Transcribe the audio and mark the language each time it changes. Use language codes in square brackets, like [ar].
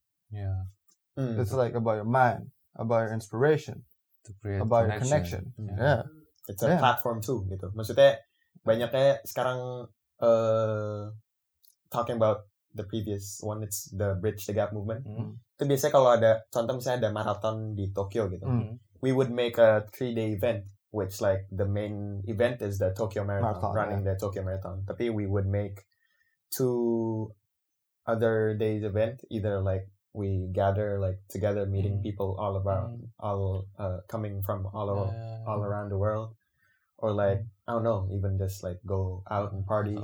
[en] Yeah. Mm. It's like about your mind, about your inspiration, about your connection. Yeah. It's a platform too, [id] gitu. Maksudnya banyaknya sekarang [en] talking about the previous one, it's the Bridge the Gap movement. [id] Itu biasanya kalau ada contoh misalnya ada marathon di Tokyo gitu. Mm. [en] We would make a 3-day event, which like the main event is the Tokyo Marathon, running the Tokyo Marathon. [id] Tapi [en] we would make 2 other days event, either like we gather like together, meeting people all around, coming from all around the world, or like, I don't know, even just like go out and party,